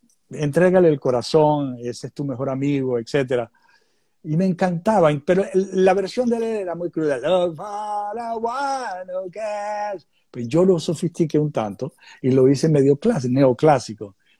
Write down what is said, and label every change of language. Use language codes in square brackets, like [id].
[es] Entrégale el corazón, ese es tu mejor amigo, etc. Y me encantaba, pero la versión de él era muy cruda. [en] Look for the one who cares. [es] Pues yo lo sofistiqué un tanto y lo hice medio clásico, neoclásico.